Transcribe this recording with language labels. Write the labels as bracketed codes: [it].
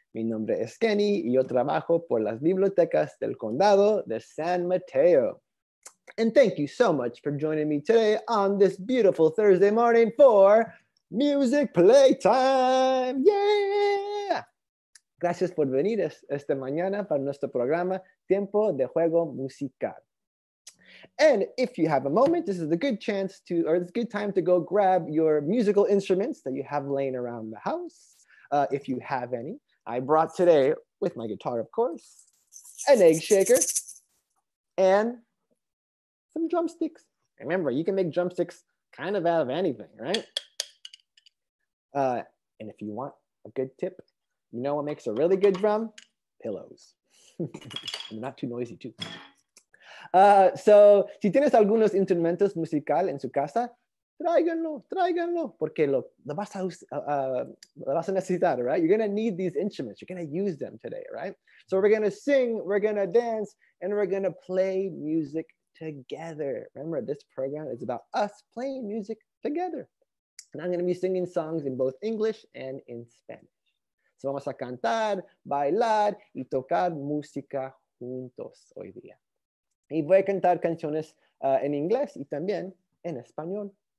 [es] Mi nombre es Kenny, y yo trabajo por las bibliotecas del condado de San Mateo. [en] And thank you so much for joining me today on this beautiful Thursday morning for Music Playtime. Yeah! [es] Gracias por venir esta mañana para nuestro programa Tiempo de Juego Musical. [en] And if you have a moment, this is a good chance to, or it's a good time to go grab your musical instruments that you have laying around the house, if you have any. I brought today, with my guitar, of course, an egg shaker and some drumsticks. Remember, you can make drumsticks kind of out of anything, right? And if you want a good tip, you know what makes a really good drum? Pillows. And not too noisy, too. [es] So, si tienes algunos instrumentos musicales en su casa, tráiganlo, porque lo vas a necesitar, right? [en] You're going to need these instruments. You're going to use them today, right? So we're going to sing, we're going to dance, and we're going to play music together. Remember, this program is about us playing music together. And I'm going to be singing songs in both English and in Spanish. [es] So vamos a cantar, bailar, y tocar música juntos hoy día. Y voy a cantar canciones en inglés y también en español.